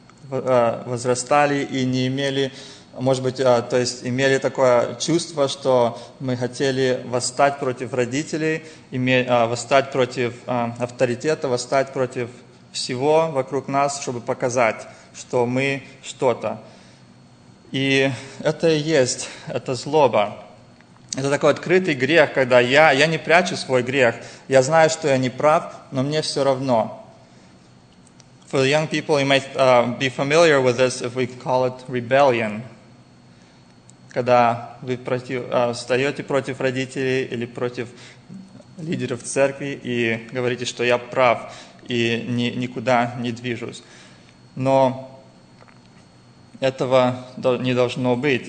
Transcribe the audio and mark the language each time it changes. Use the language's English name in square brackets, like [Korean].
[Russian] возрастали и не имели, может быть, то есть имели такое чувство, что мы хотели восстать против родителей, восстать против авторитета, восстать против всего вокруг нас, чтобы показать, что мы что-то. И это и есть, это злоба. Это такой открытый грех, когда я не прячу свой грех, я знаю, что я не прав, но мне все равно. [English] For the young people, you might be familiar with this if we call it rebellion. [Russian] Когда вы встаете против родителей или против лидеров церкви и говорите, что я прав и никуда не движусь. Но этого не должно быть.